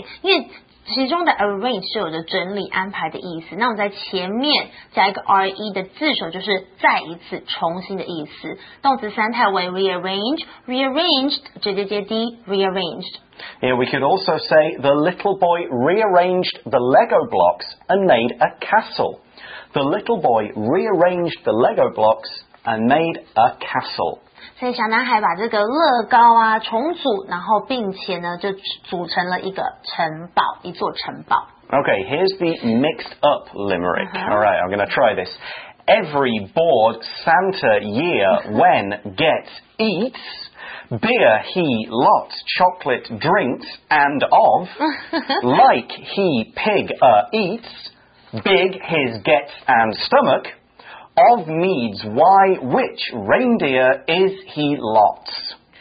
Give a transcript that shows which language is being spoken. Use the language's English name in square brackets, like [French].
[Chinese] 因为其中的 arrange 是有着整理安排的意思那我们在前面加一个 re 的字首就是再一次重新的意思。动词三态为 rearrange, rearranged, 直接接 D, rearranged. [English] Yeah, we could also say the little boy rearranged the Lego blocks and made a castle. the little boy rearranged the Lego blocks and made a castle. [Chinese] 所以小男孩把这个乐高啊重组，然后并且呢就组成了一个城堡，一座城堡。 [English] Okay, here's the mixed up limerick. All right, I'm going to try this. Every bored Santa year when gets eats, beer he lots chocolate drinks and of, like he pig eats, big his gets and stomach,Of needs why which reindeer is he lots?